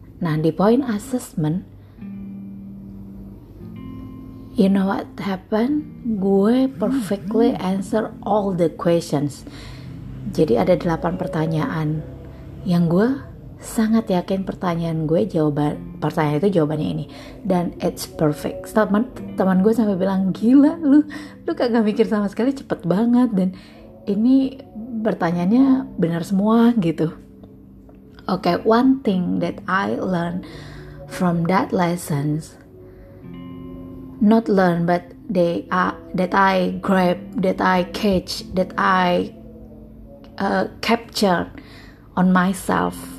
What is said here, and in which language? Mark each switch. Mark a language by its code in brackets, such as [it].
[en] Nah, di point assessment, you know what happened? Gue perfectly answer all the questions. [id] Jadi ada 8 pertanyaan yang gue sangat yakin pertanyaan gue jawaban, pertanyaan itu jawabannya ini, dan [en] it's perfect. [id] Teman gue sampai bilang, gila lu kagak mikir sama sekali, cepet banget, dan ini pertanyaannya benar semua gitu. [en] Okay, one thing that I learned from that lessons, not learn but they are, that I grab, that I catch, that I capture on myself.